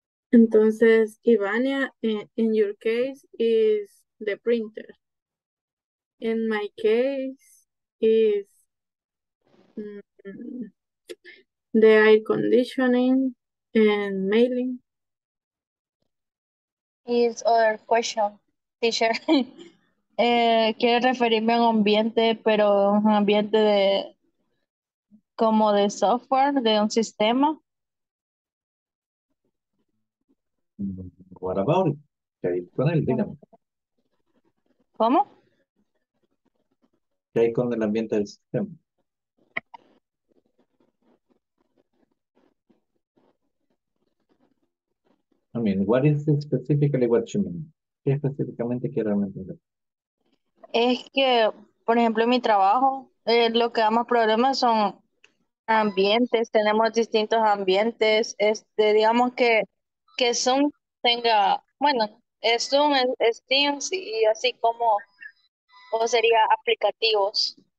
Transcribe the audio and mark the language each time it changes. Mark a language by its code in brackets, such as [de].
[en] Entonces, Ivania, in your case is the printer. In my case is the air conditioning and mailing. Is other question, teacher. [es] quiere referirme a un ambiente, pero un ambiente de como de software, de un sistema. [en] What about it? [es] ¿Qué hay con él? Dígame. ¿Cómo? ¿Qué hay con el ambiente del sistema? [en] I mean, what is specifically what you mean? [es] ¿Qué específicamente quiero entender? Es que, por ejemplo, en mi trabajo, lo que da más problemas son ambientes. Tenemos distintos ambientes. Digamos que son... tenga, bueno, es Zoom, es Teams y así como, o sería aplicativos.